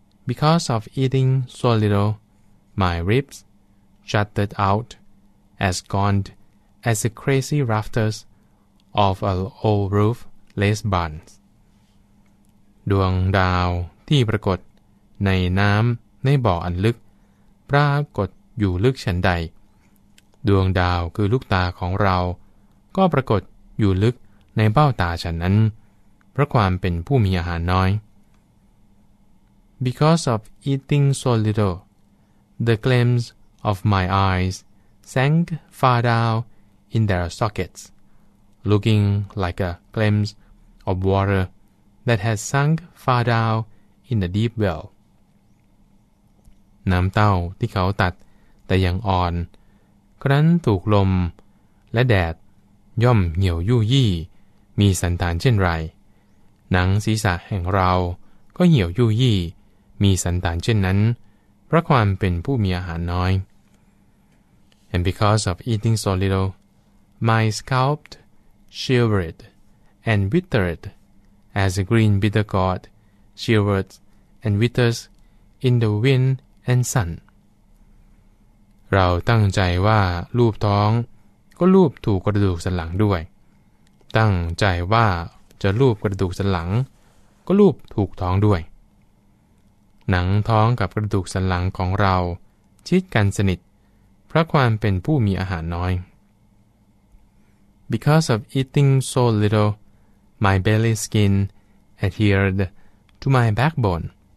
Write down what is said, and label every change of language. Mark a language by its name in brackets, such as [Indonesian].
[English] Because of eating so little, my ribs jutted out. As gaunt as the crazy rafters of an old roof lace barns. [Thai] ดวงดาวที่ปรากฏในน้ำในบ่ออันลึกปรากฏอยู่ลึกฉันใดดวงดาวคือลูกตาของเราก็ปรากฏอยู่ลึกในเบ้าตาฉันนั้นเพราะความเป็นผู้มีอาหารน้อย [English] Because of eating so little, the glimpse of my eyesSank far down in their sockets, looking like a glimpse of water that has sunk far down in the deep well. [Thai] น้ำเต้าที่เขาตัดแต่ยังอ่อนครั้นถูกลมและแดดย่อมเหี่ยวยู่ยี่มีสันฐานเช่นไรหนังศีรษะแห่งเราก็เหี่ยวยู่ยี่มีสันฐานเช่นนั้นเพราะความเป็นผู้มีอาหารน้อย [English] And because of eating so little, my scalp shivered and withered as a green bitter gourd shivers and withers in the wind and sun. [Thai] เราตั้งใจว่ารูปท้อง ก็ลูบถูกกระดูกสันหลังด้วยตั้งใจว่าจะลูบกระดูกสันหลังก็ลูบถูกท้องด้วยหนังท้องกับกระดูกสันหลังของเราชิดกันสนิทเพราะความเป็นผู้มีอาหารน้อย [English] Because of eating so little, my belly skin adhered to my backbone.